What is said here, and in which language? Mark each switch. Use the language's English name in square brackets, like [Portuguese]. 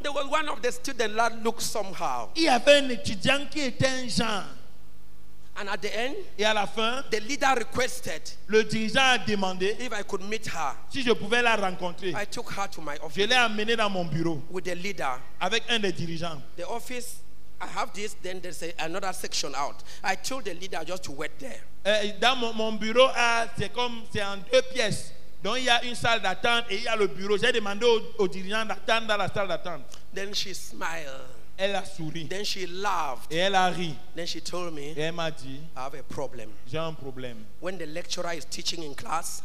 [English] there was one of the students that looked somehow. [French] Il y avait un étudiant qui était un genre. [English] And at the end, [French] et à la fin, [English] the leader requested, [French] le dirigeant a demandé [English] if I could meet her, [French] si je pouvais la rencontrer. [English] I took her to my office, [French] je l'ai amené dans mon bureau [English] with the leader, [French] avec un des dirigeants. [English] The office, I have this, then there's another section out. I told the leader just to wait there. [French] Dans mon bureau, c'est en deux pièces. Donc il y a une salle d'attente et il y a le bureau. J'ai demandé au dirigeant d'attendre dans la salle d'attente. [English] Then she smiled. [French] Elle a souri. [English] Then she laughed. [French] Et elle a ri. [English] Then she told me. [French] Et elle m'a dit. [English] I have a problem. [French] J'ai un problème. [English] When the lecturer is teaching in class.